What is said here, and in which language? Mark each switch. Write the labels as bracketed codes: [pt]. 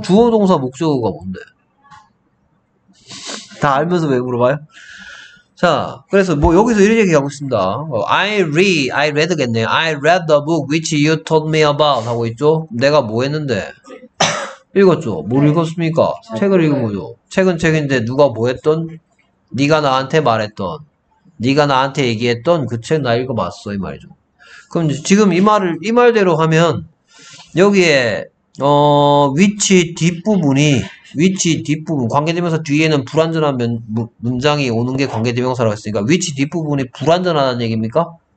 [ko] 주어 동사 목적어가 뭔데? 다 알면서 왜 물어봐요? 자, 그래서 뭐 여기서 이런 얘기 하고 있습니다. [en] I read겠네요. I read the book which you told me about [ko] 하고 있죠? 내가 뭐 했는데? 읽었죠? 뭘 읽었습니까? 책을 읽은 거죠. 책은 책인데 누가 뭐 했던? 네가 나한테 말했던, 네가 나한테 얘기했던 그 책 나 읽어봤어 이 말이죠. 그럼 지금 이 말대로 하면 여기에 위치 뒷부분 관계대명사 뒤에는 불완전한 문장이 오는 게 관계대명사라고 했으니까 위치 뒷부분이 불완전하다는 얘기입니까?